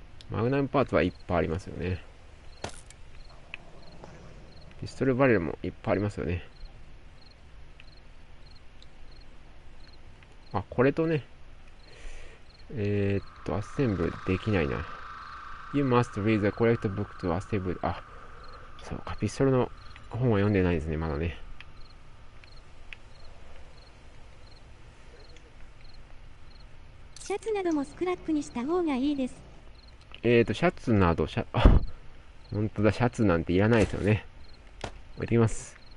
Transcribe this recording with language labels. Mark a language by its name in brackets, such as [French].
[Japanese] マグナムパーツはいっぱいありますよね。ピストルバレルもいっぱいありますよね。あ、これとね、アッセンブルできないな。 [English] You must read the correct book to assemble. [Japanese] あ、そうか、ピストルの本は読んでないですね、まだね。シャツなどもスクラップにした方がいいです。シャツなど、シャ、あ、本当だ、シャツなんていらないですよね。置いてきます。